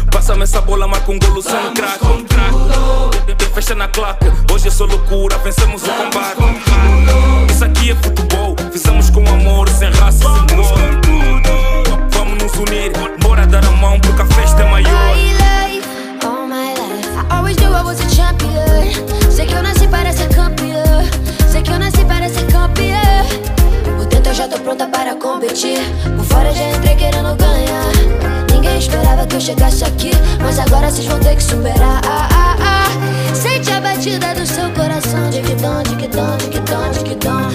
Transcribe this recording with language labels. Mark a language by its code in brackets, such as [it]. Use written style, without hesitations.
[pt] Passa-me essa bola, marca um golo, sou um craque. Vamos com tudo. De fecha na claque. Hoje é só loucura, vencemos vamos o combate. Com tudo. Isso aqui é futebol, fizemos com amor, sem raça, vamos sem cor. Com tudo. Vamos nos unir, bora dar a mão, porque a festa é maior. [en] All my life, all my life. I always knew I was a champion. [pt] Sei que eu nasci para ser campeão. Sei que eu nasci para ser campeão. Eu já tô pronta para competir. Por fora já entrei querendo ganhar. Ninguém esperava que eu chegasse aqui. Mas agora vocês vão ter que superar. Sente a batida do seu coração. Dic-dom, dic-dom, dic-dom, dic-dom.